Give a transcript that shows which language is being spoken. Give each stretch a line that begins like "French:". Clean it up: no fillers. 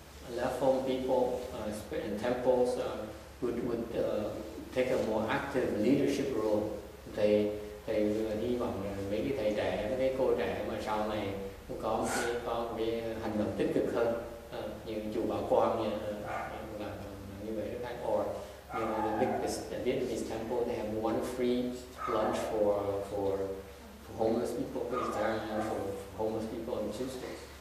English: a lot of people and temples would take a more active leadership role.
Vietnamese: Thầy hy vọng là mấy cái thầy trẻ, mấy cái cô trẻ mà sau này cũng có cái hành động tích cực hơn, như chủ bảo quang như vậy rất hay.
English: Or you know, the Vietnamese temple, they have one free lunch for homeless people, for Italian, for homeless people on Tuesdays.